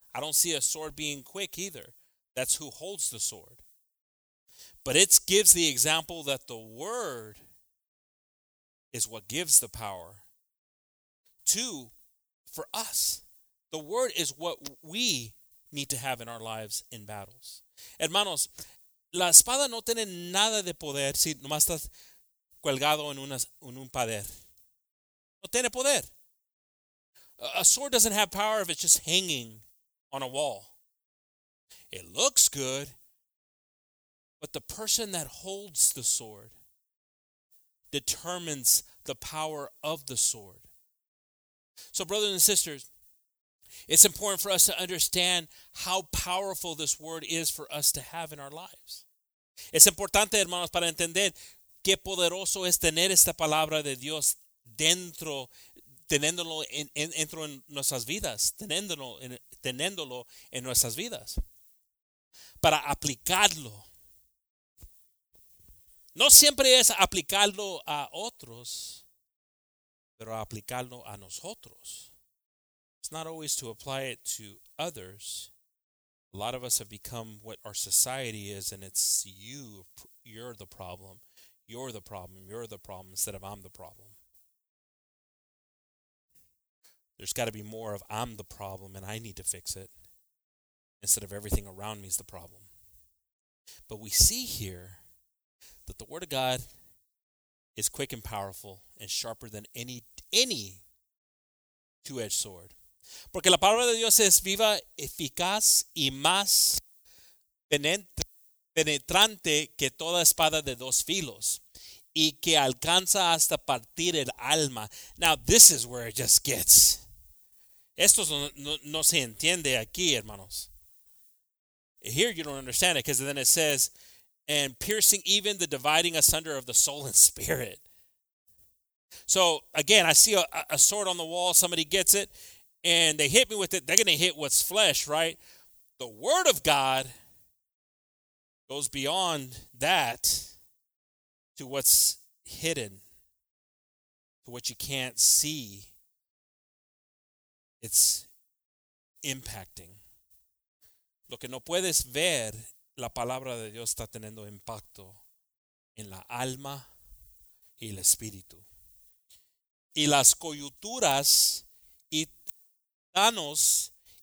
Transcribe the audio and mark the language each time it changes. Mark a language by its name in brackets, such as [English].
[English] I don't see a sword being quick either. That's who holds the sword. But it gives the example that the word is what gives the power. Two, for us, the word is what we need to have in our lives in battles. [Spanish] Hermanos, la espada no tiene nada de poder si nomás estás colgado en un pader. No tiene poder. [English] A sword doesn't have power if it's just hanging on a wall. It looks good, but the person that holds the sword determines the power of the sword. So, brothers and sisters, it's important for us to understand how powerful this word is for us to have in our lives. [Spanish] Es importante, hermanos, para entender qué poderoso es tener esta palabra de Dios dentro, teniéndolo en nuestras vidas, teniéndolo en nuestras vidas, para aplicarlo. No siempre es aplicarlo a otros, pero aplicarlo a nosotros. [English] It's not always to apply it to others. A lot of us have become what our society is, and it's you. You're the problem. You're the problem. You're the problem instead of I'm the problem. There's got to be more of I'm the problem and I need to fix it instead of everything around me is the problem. But we see here that the Word of God is quick and powerful and sharper than any two-edged sword. [Spanish] Porque la palabra de Dios es viva, eficaz y más penetrante que toda espada de dos filos y que alcanza hasta partir el alma. [English] Now, this is where it just gets. [Spanish] Esto no se entiende aquí, hermanos. [English] Here you don't understand it because then it says, and piercing even the dividing asunder of the soul and spirit. So, again, I see a sword on the wall. Somebody gets it, and they hit me with it. They're going to hit what's flesh, right? The word of God goes beyond that to what's hidden, to what you can't see. It's impacting. [Spanish] Lo que no puedes ver, la palabra de Dios está teniendo impacto en la alma y el espíritu. Y las coyunturas y tanos